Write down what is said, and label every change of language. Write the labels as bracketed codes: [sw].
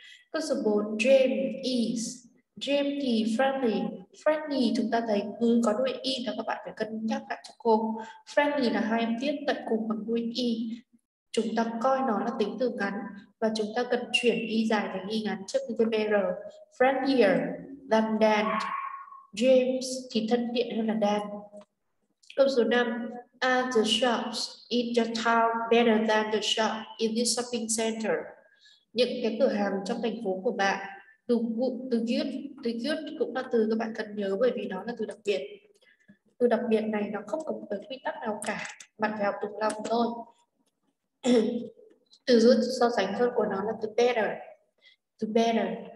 [vi] Câu số 4, dream is, dream thì friendly, friendly chúng ta thấy cứ có đuôi y là các bạn phải cân nhắc lại cho cô. Friendly là hai âm tiết tận cùng bằng đuôi y, chúng ta coi nó là tính từ ngắn và chúng ta cần chuyển y dài thành y ngắn trước khi thêm r. [en] Friendlier than Dan, [vi] James thì thân thiện hơn là Dan. Câu số 5, [en] are the shops in the town better than the shop in this shopping center? [vi] Những cái cửa hàng trong thành phố của bạn, từ good cũng là từ các bạn cần nhớ bởi vì nó là từ đặc biệt. Từ đặc biệt này nó không có một cái quy tắc nào cả, bạn phải học thuộc lòng thôi. Từ good so sánh hơn của nó là từ better. Từ better.